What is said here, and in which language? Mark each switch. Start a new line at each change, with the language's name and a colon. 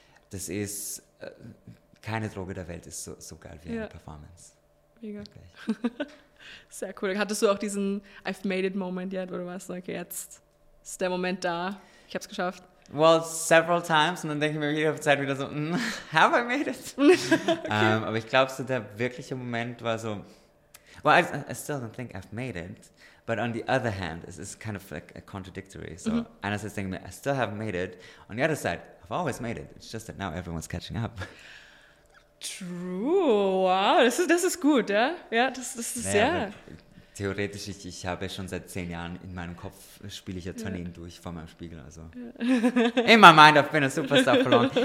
German: Das ist, keine Droge der Welt ist so geil wie eine Performance. Mega. Sehr cool. Hattest du auch diesen
English: I've made it
German: Moment yet, wo du warst, okay, jetzt ist der Moment da, ich hab's geschafft?
English: Well, several times
German: und dann denke ich mir jede Zeit wieder so,
English: have I made it? Okay.
German: Aber ich glaube, so der wirkliche Moment war so,
English: well, I still don't think I've made it, but on the other hand, it's kind of like a contradictory.
German: So einerseits denke ich mir,
English: I still haven't made it, on the other side, I've always made it, it's just that now everyone's catching up. True,
German: wow, das ist gut, ja? Ja, das ist sehr. Theoretisch, ich habe schon seit 10 Jahren in meinem Kopf, spiele ich ja Tourneen durch vor meinem Spiegel, also.
English: In my mind, I've been a superstar for long.